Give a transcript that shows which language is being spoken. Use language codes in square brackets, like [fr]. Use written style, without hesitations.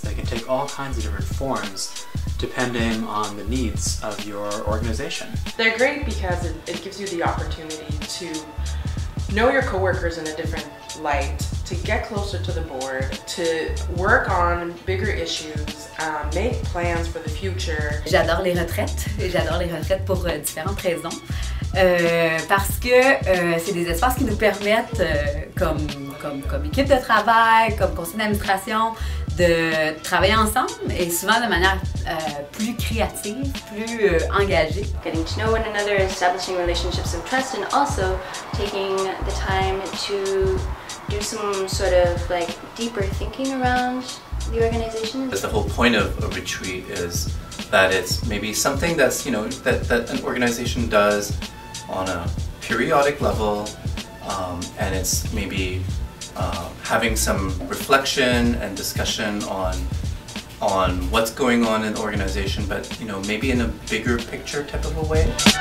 [en] They can take all kinds of different forms depending on the needs of your organization. They're great because it gives you the opportunity to know your coworkers in a different light, to get closer to the board, to work on bigger issues, make plans for the future. [fr] J'adore les retraites. J'adore les retraites pour différentes raisons. Parce que c'est des espaces qui nous permettent, comme équipe de travail, comme conseil d'administration, de travailler ensemble et souvent de manière plus créative, plus engagée. [en] Getting to know one another, establishing relationships of trust, and also taking the time to do some sort of like deeper thinking around the organization. But the whole point of a retreat is that it's maybe something that's, you know, that an organization does on a periodic level, and it's maybe having some reflection and discussion on what's going on in the organization, but you know, maybe in a bigger picture type of a way.